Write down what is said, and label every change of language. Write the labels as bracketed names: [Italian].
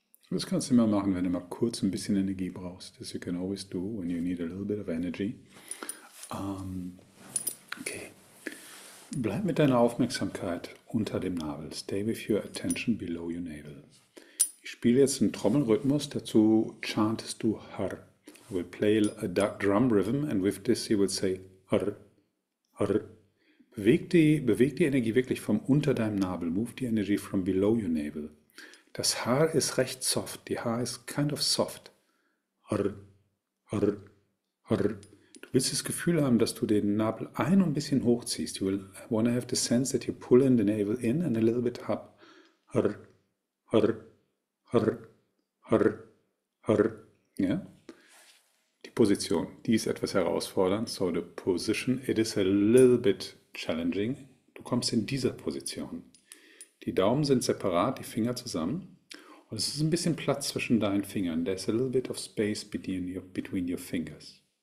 [German] Das kannst du immer machen, wenn du mal kurz ein bisschen Energie brauchst. [English] This you can always do when you need a little bit of energy. [German] Okay. Bleib mit deiner Aufmerksamkeit unter dem Nabel. [English] Stay with your attention below your navel. [German] Ich spiele jetzt einen Trommelrhythmus. Dazu chantest du Har. [English] I will play a drum rhythm and with this you will say Har. Har. [German] Beweg die Energie wirklich vom unter deinem Nabel. [English] Move the energy from below your navel. [German] Das H ist recht soft. [English] Die H ist kind of soft. Hr, hr, hr. [German] Du willst das Gefühl haben, dass du den Nabel ein und ein bisschen hochziehst. [English] You will want to have the sense that you pull in the navel in and a little bit up. Hr, hr, hr, hr, hr. Ja? [German] Die Position, die ist etwas herausfordernd. [English] So the position, it is a little bit challenging. [German] Du kommst in dieser Position. Die Daumen sind separat, die Finger zusammen. Und es ist ein bisschen Platz zwischen deinen Fingern. [English] There's a little bit of space between your fingers.